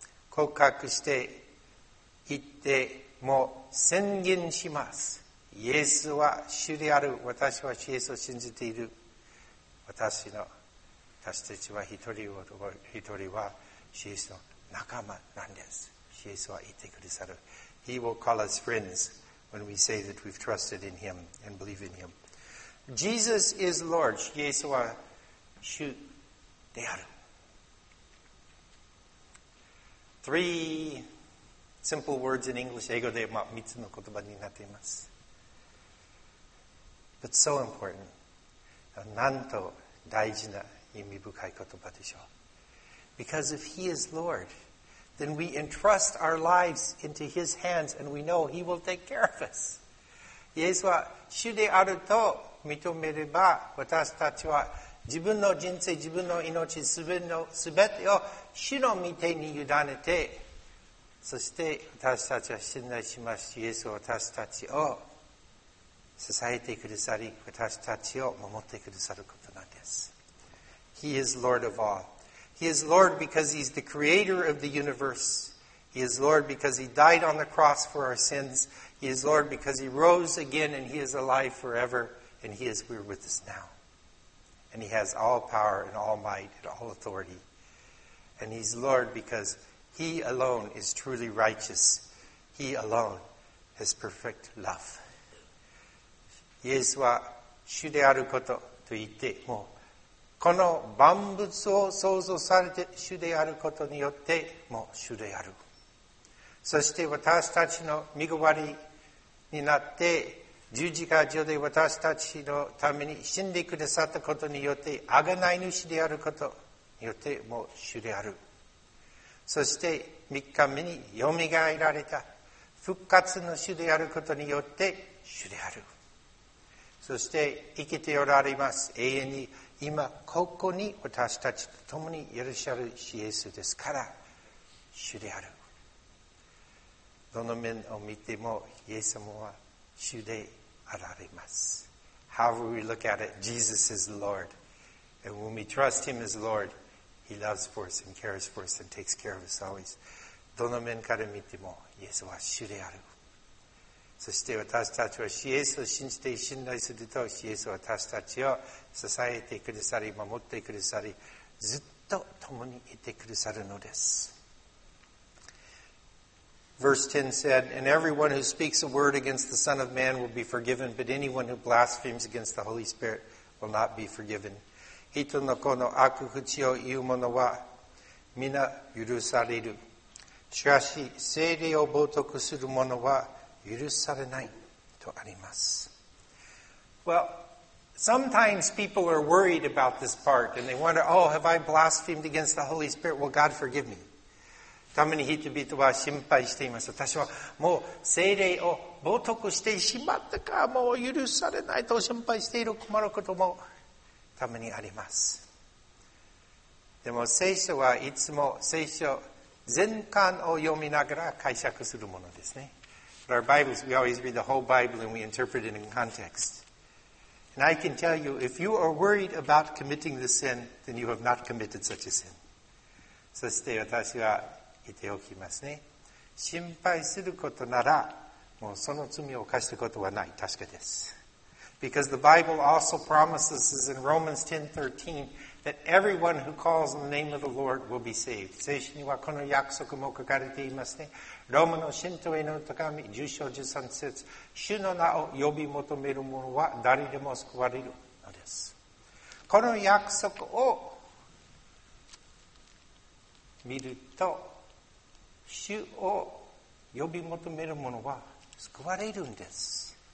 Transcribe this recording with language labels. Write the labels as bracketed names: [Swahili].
[Japanese] 告白して言っても宣言します。イエスは主である。私は主イエスを信じている。私たちは一人は主イエスの仲間なんです。主イエスは言ってくださる。 [English] He will call us friends when we say that we've trusted in Him and believe in Him. Jesus is Lord. [Japanese] イエスは主である。 [English] Three simple words in English. [Japanese] 英語で3つの言葉になっています。 [English] But so important. [Japanese] なんと大事な意味深い言葉でしょう。 [English] Because if He is Lord, then we entrust our lives into His hands and we know He will take care of us. [Japanese] イエスは主であると認めれば、私たちは自分の人生、自分の命、すべてを主の御手に委ねて、そして私たちは信頼します。イエスは私たちを支えてくださり、私たちを守ってくださることなんです。 [English] He is Lord of all. He is Lord because He's the creator of the universe. He is Lord because He died on the cross for our sins. He is Lord because He rose again and He is alive forever. And He is here with us now. And He has all power and all might and all authority. And He's Lord because He alone is truly righteous. He alone has perfect love. [Japanese] イエスは主であることと言って、もこの万物を創造されて主であることによって、もう主である。そして私たちの身代わりになって、十字架上で私たちのために死んでくださったことによって、あがない主であることによって、もう主である。そして、三日目によみがえられた、復活の主であることによって、主である。そして、生きておられます、永遠に、今、ここに私たちと共にいらっしゃる主イエスですから、主である。どの面を見ても、イエス様は、主であられます。 [English] However we look at it, Jesus is Lord. And when we trust Him as Lord, He loves for us and cares for us and takes care of us always. [Japanese] どの面から見ても、イエスは主である。そして私たちは、イエスを信じて信頼すると、イエスは私たちを支えてくださり、守ってくださり、ずっと共にいてくださるのです。 [English] Verse 10 said, And everyone who speaks a word against the Son of Man will be forgiven, but anyone who blasphemes against the Holy Spirit will not be forgiven. [Japanese] 人の子の悪口を言う者は皆許される。しかし、聖霊を冒涜する者は許されないとあります。 [English] Well, sometimes people are worried about this part, and they wonder, oh, have I blasphemed against the Holy Spirit? Will God forgive me? [Japanese] たまに人々は心配しています。私はもう聖霊を冒涜してしまったか、もう許されないと心配している、困ることもたまにあります。でも聖書はいつも聖書全巻を読みながら解釈するものですね。 [English] But our Bibles, we always read the whole Bible and we interpret it in context. And I can tell you, if you are worried about committing the sin, then you have not committed such a sin. [Japanese] そして私は言っておきますね。心配することなら、もうその罪を犯したことはない。確かです。 [English] Because the Bible also promises us in Romans 10:13 that everyone who calls on the name of the Lord will be saved. [Japanese] 聖書にはこの約束も書かれていますね。ローマの信徒への手紙10章13節、主の名を呼び求める者は誰でも救われるのです。この約束を見ると、主を呼び求める者は救われるんです。